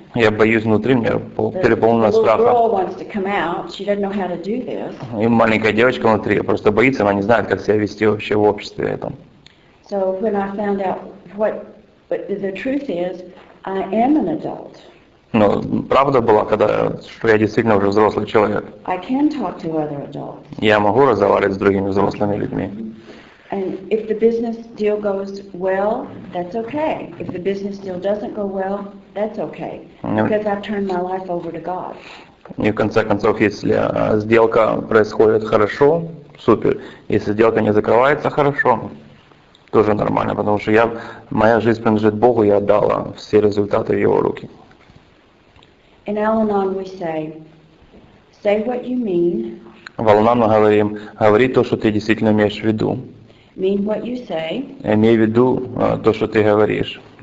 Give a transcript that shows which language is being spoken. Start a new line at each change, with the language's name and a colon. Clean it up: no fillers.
Russian: Я боюсь внутри, мне переполнено страхом.
English: The girl wants to come out. She doesn't know how to do this.
Russian: И маленькая девочка внутри просто боится, она не знает, как себя вести вообще в обществе этом.
English: So when I found out what the truth is, I am an adult.
Russian: Но правда была, что я действительно уже взрослый человек.
English: I can talk to other adults.
Russian: Я могу разговаривать с другими взрослыми людьми.
English: And if the business deal goes well, that's okay. If the business deal doesn't go well, that's okay. Because I've turned my life over to God.
Russian: И в конце концов, если сделка происходит хорошо, супер. Если сделка не закрывается хорошо, тоже нормально, потому что моя жизнь принадлежит Богу, я отдала все результаты в Его руки.
English: In Al-Anon we say what you mean.
Russian: В Al-Anon мы говорим, говори то, что ты действительно имеешь в виду.
English: Mean what you say.
Russian: Я имею в виду то, что ты говоришь.